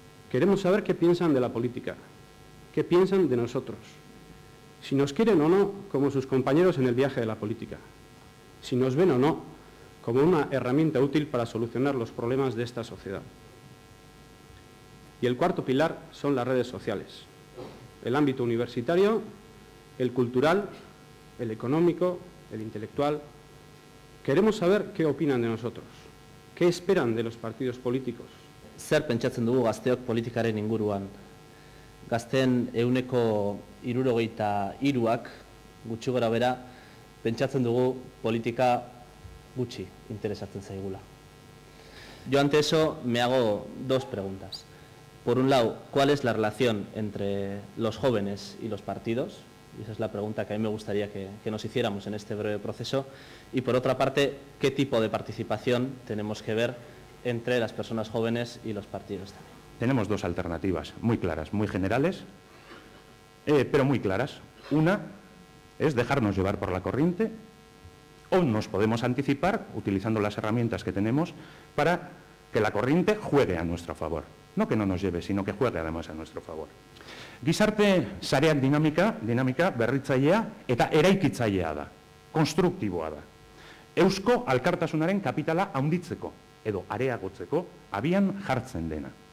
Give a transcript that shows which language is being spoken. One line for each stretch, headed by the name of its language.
Spanish: Queremos saber qué piensan de la política, qué piensan de nosotros, si nos quieren o no como sus compañeros en el viaje de la política, si nos ven o no como una herramienta útil para solucionar los problemas de esta sociedad. Y el cuarto pilar son las redes sociales, el ámbito universitario, el cultural, el económico, el intelectual. Queremos saber qué opinan de nosotros, qué esperan de los partidos políticos.
Basque: Zer pentsatzen dugu gazteok politikaren inguruan? Gazten 163-ak gutxi gora bera pentsatzen dugu politika gutxi interesatzen zaigula.
Spanish: Yo ante eso me hago dos preguntas. Por un lado, ¿cuál es la relación entre los jóvenes y los partidos? Y esa es la pregunta que a mí me gustaría que nos hiciéramos en este breve proceso. Y por otra parte, ¿qué tipo de participación tenemos que ver entre las personas jóvenes y los partidos también? Tenemos dos alternativas muy claras, muy generales, pero muy claras. Una es dejarnos llevar por la corriente o nos podemos anticipar utilizando las herramientas que tenemos para que la corriente juegue a nuestro favor. No que no nos lleve, sino que juegue además a nuestro favor.
Basque: Gizarte sareak dinamika berritzailea eta eraikitzailea da, konstruktiboa da. Eusko alkartasunaren kapitala handitzeko edo areagotzeko abian jartzen dena.